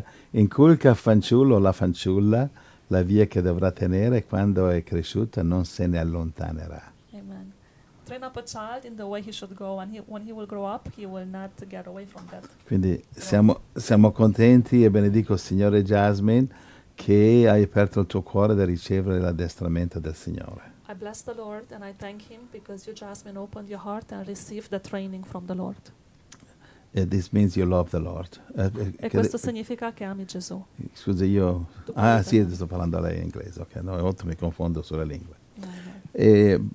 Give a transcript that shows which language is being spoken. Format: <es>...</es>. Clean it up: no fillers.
<it>inculca al fanciullo o la fanciulla la via che dovrà tenere, quando è cresciuta non se ne allontanerà. Amen.</it> <en>Train up a child in the way he should go, and when he will grow up he will not get away from that.</en> <it>Quindi siamo contenti e benedico il Signore Jasmine che hai aperto il tuo cuore da ricevere l'addestramento del Signore.</it> <en>I bless the Lord and I thank him because you, Jasmine, opened your heart and received the training from the Lord. This means you love the Lord.</en> <it>Questo significa che ami Gesù. Scusi, io... Sì, sto parlando a lei in inglese. Ok, no, molto mi confondo sulle lingue. No.</it>